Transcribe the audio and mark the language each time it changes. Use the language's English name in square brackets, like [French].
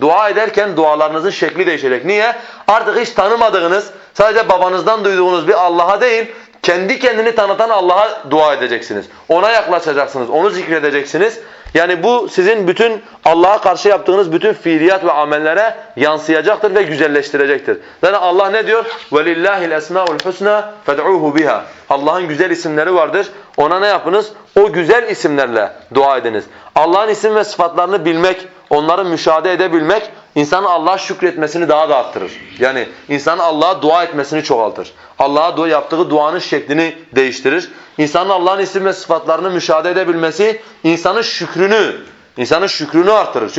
[Turkish] Dua ederken dualarınızın şekli değişecek. Niye? Artık hiç tanımadığınız, sadece babanızdan duyduğunuz bir Allah'a değil, kendi kendini tanıtan Allah'a dua edeceksiniz. Ona yaklaşacaksınız, onu zikredeceksiniz. Yani bu sizin bütün Allah'a karşı yaptığınız bütün fiiliyat ve amellere yansıyacaktır ve güzelleştirecektir. Yani Allah ne diyor? [Arabic] وَلِلَّهِ الْاَسْمَاءُ الْحُسْنَى فَدْعُوهُ بِهَا [Turkish] Allah'ın güzel isimleri vardır. Ona ne yapınız? O güzel isimlerle dua ediniz. Allah'ın isim ve sıfatlarını bilmek, onları müşahede edebilmek insanın Allah'a şükretmesini daha da arttırır. Yani insanın Allah'a dua etmesini çoğaltır. Allah'a yaptığı duanın şeklini değiştirir. İnsanın Allah'ın isim ve sıfatlarını müşahede edebilmesi insanın şükrünü artırır.